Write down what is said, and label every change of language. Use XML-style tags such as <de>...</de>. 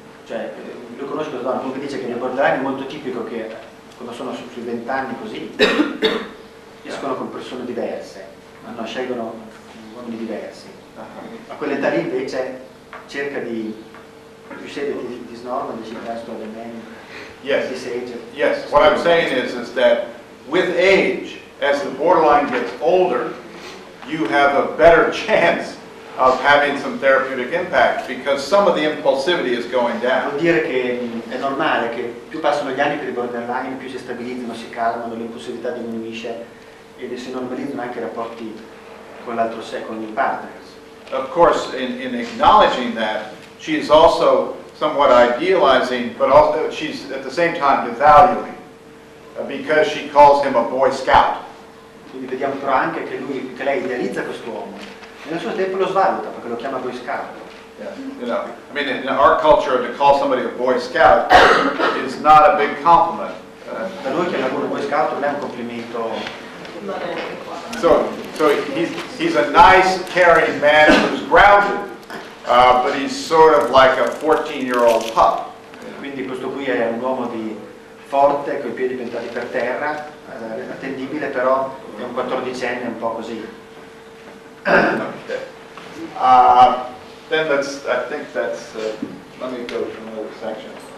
<it>Io conosco questa donna, comunque dice che nel borderline è molto tipico che quando sono sui 20 anni così escono con persone diverse, ma no, scelgono uomini diversi. A quell'età lì invece cerca di riuscire di snorma, di cercare di</it> <en>Yes. Yes, what I'm saying is that with age, as the borderline gets older, you have a better chance of having some therapeutic impact because some of the impulsivity is going down.</en> <it>Vuol dire che è normale che più passano gli anni per i borderline, più si stabilizzano, si calmano, l'impulsività diminuisce e si normalizzano anche i rapporti con l'altro sé, con il partner.</it> <en>Of course, in acknowledging that, she is also somewhat idealizing, but also she's at the same time devaluing because she calls him a boy scout.</en> <it>Quindi vediamo però anche che lui, che lei idealizza questo uomo, e nello stesso tempo lo svaluta perché lo chiama boy scout.</it> <en>Yeah. You know, I mean, in our culture, to call somebody a boy scout is not a big compliment.</en> <it>Per lui che lavora boy scout non è un complimento.</it> <en>So he's a nice, caring man who's grounded, but he's sort of like a 14-year-old pup.</en> <it>Quindi questo qui è un uomo di forte, coi piedi piantati per terra, attendibile, però è un 14enne, un po' così.</it> <en>Then that's, I think that's, let me go to another section.</en>